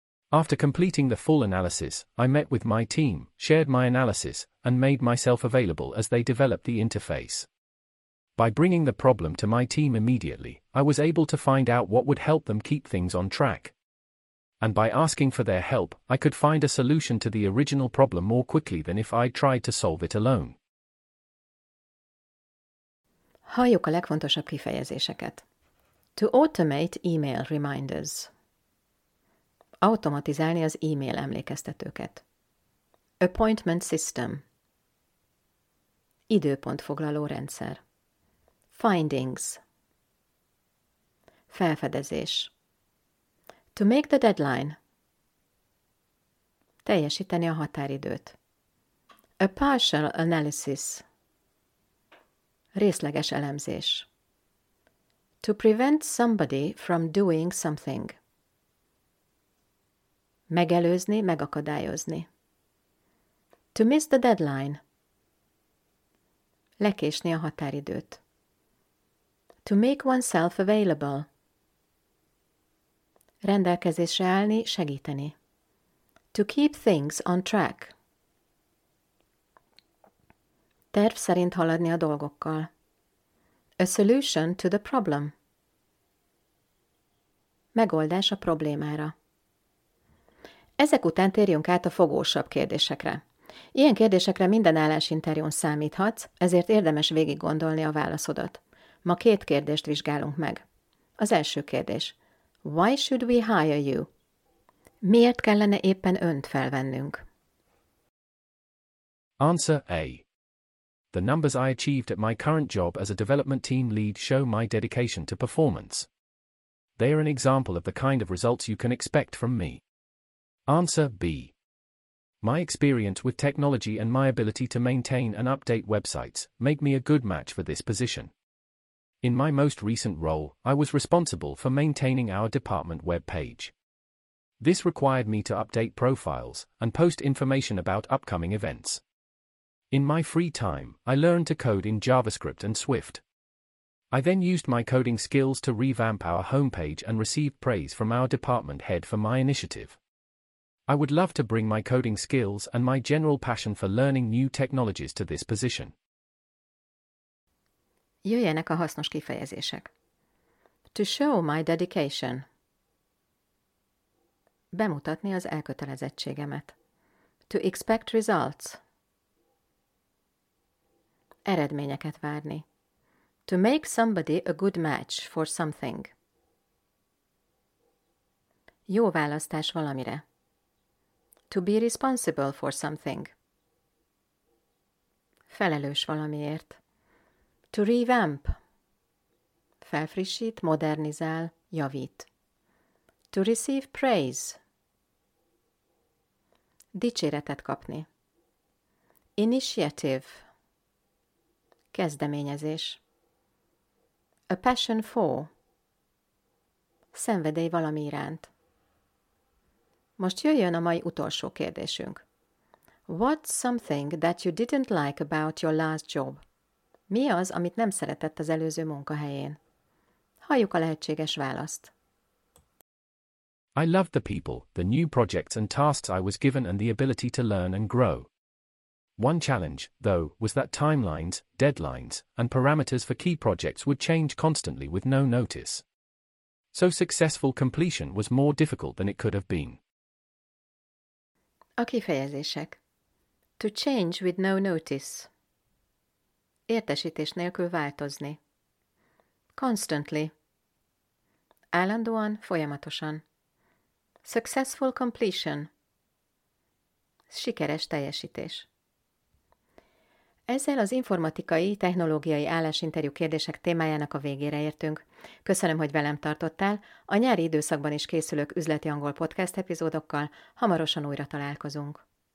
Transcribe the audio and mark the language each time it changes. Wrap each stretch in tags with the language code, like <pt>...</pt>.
<en>After completing the full analysis, I met with my team, shared my analysis, and made myself available as they developed the interface. By bringing the problem to my team immediately, I was able to find out what would help them keep things on track. And by asking for their help, I could find a solution to the original problem more quickly than if I tried to solve it alone.</en> <hu>Halljuk a legfontosabb kifejezéseket.</hu> <en>To automate email reminders.</en> <hu>Automatizálni az e-mail emlékeztetőket.</hu> <en>Appointment system.</en> <hu>Időpontfoglaló rendszer.</hu> <en>Findings.</en> <hu>Felfedezés.</hu> <en>To make the deadline.</en> <hu>Teljesíteni a határidőt.</hu> <en>A partial analysis.</en> <hu>Részleges elemzés.</hu> <en>To prevent somebody from doing something.</en> <hu>Megelőzni, megakadályozni.</hu> <en>To miss the deadline.</en> <hu>Lekésni a határidőt.</hu> <en>To make oneself available.</en> <hu>Rendelkezésre állni, segíteni.</hu> <en>To keep things on track.</en> <hu>Terv szerint haladni a dolgokkal.</hu> <en>A solution to the problem.</en> <hu>Megoldás a problémára. Ezek után térjünk át a fogósabb kérdésekre. Ilyen kérdésekre minden állásinterjún számíthatsz, ezért érdemes végig gondolni a válaszodat. Ma két kérdést vizsgálunk meg. Az első kérdés.</hu> <en>Why should we hire you?</en> <hu>Miért kellene éppen önt felvennünk?</hu> <en>Answer A. The numbers I achieved at my current job as a development team lead show my dedication to performance. They are an example of the kind of results you can expect from me. Answer B. My experience with technology and my ability to maintain and update websites make me a good match for this position. In my most recent role, I was responsible for maintaining our department web page. This required me to update profiles and post information about upcoming events. In my free time, I learned to code in JavaScript and Swift. I then used my coding skills to revamp our homepage and received praise from our department head for my initiative. I would love to bring my coding skills and my general passion for learning new technologies to this position.</en> <hu>Jöjjenek a hasznos kifejezések.</hu> <en>To show my dedication.</en> <hu>Bemutatni az elkötelezettségemet.</hu> <en>To expect results.</en> <hu>Eredményeket várni.</hu> <en>To make somebody a good match for something.</en> <hu>Jó választás valamire.</hu> <en>To be responsible for something.</en> <hu>Felelős valamiért.</hu> <en>To revamp.</en> <hu>Felfrissít, modernizál, javít.</hu> <en>To receive praise.</en> <hu>Dicséretet kapni.</hu> <en>Initiative.</en> <hu>Kezdeményezés.</hu> <en>A passion for.</en> <hu>Szenvedély valami iránt. Most jöjjön a mai utolsó kérdésünk.</hu> <en>What's something that you didn't like about your last job?</en> <hu>Mi az, amit nem szeretett az előző munkahelyén? Halljuk a lehetséges választ.</hu> <en>I loved the people, the new projects and tasks I was given and the ability to learn and grow. One challenge, though, was that timelines, deadlines, and parameters for key projects would change constantly with no notice. So successful completion was more difficult than it could have been.</en> <hu>A kifejezések.</hu> <en>To change with no notice.</en> <hu>Értesítés nélkül változni.</hu> <en>Constantly.</en> <hu>Állandóan, folyamatosan.</hu> <en>Successful completion.</en> <hu>Sikeres teljesítés. Ezzel az informatikai, technológiai állásinterjú kérdések témájának a végére értünk. Köszönöm, hogy velem tartottál. A nyári időszakban is készülök üzleti angol podcast epizódokkal. Hamarosan újra találkozunk.</hu>